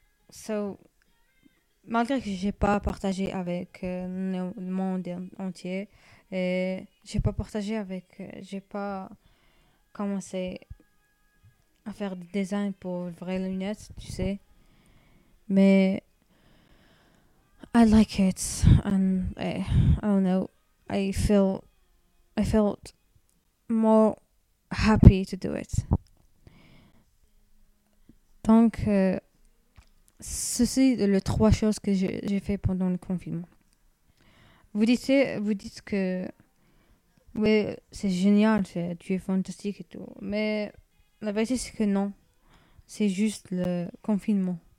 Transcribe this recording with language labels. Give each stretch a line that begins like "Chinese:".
French: So, malgré que j'ai pas partagé avec le monde entier et j'ai pas partagé avec j'ai pas commencé à faire des designs pour vraies lunettes, tu sais.
English: Mais I like it and I don't know, I felt more happy to do it.
French: Donc, ceci est les trois choses que j'ai fait pendant le confinement. Vous dites que oui, c'est génial, tu es fantastique et tout, mais la vérité, c'est que non, c'est juste le confinement.